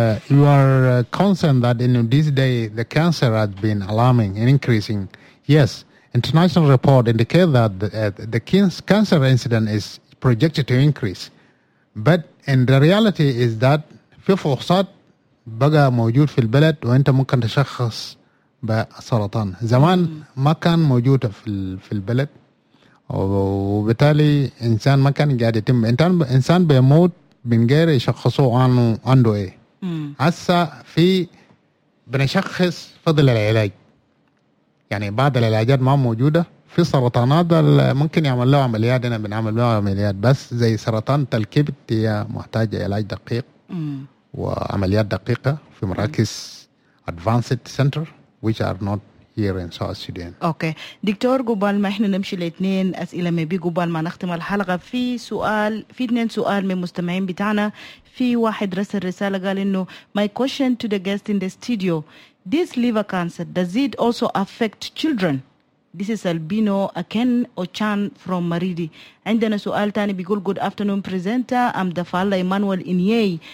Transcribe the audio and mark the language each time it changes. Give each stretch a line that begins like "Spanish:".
English: You are concerned that in this day the cancer has been alarming and increasing. Yes, international report indicates that the cancer incident is projected to increase. But in the reality is that
Arabic: في فحوصات بقى موجود في البلد وانت ممكن تشخص بسرطان. زمان ما كان موجود في البلد وبالتالي انسان ما كان قاعد يتم انسان بيموت من غير يشخصه عنده ايه. هسه في بنشخص فضل العلاج. يعني بعض العلاجات ما موجودة في سرطانات ممكن يعمل له عمليات، انا بنعمل له عمليات بس زي سرطان الكبد هي محتاجة علاج دقيق وعمليات دقيقة في مراكز
English: Advanced Center which are not here in South Sudan.
Arabic: اوكي دكتور قبل ما احنا نمشي لاثنين اسئلة ما بي قبل ما نختم الحلقة، في سؤال، في اثنين سؤال من مستمعين بتاعنا. في واحد رسل رسالة قال انه
English: my question to the guest in the studio, this liver cancer, does it also affect children? This is Albino Aken Ochan from Maridi.
Arabic: عندنا سؤال تاني بيقول
English: good afternoon presenter, I'm Dafala Emmanuel Inyei.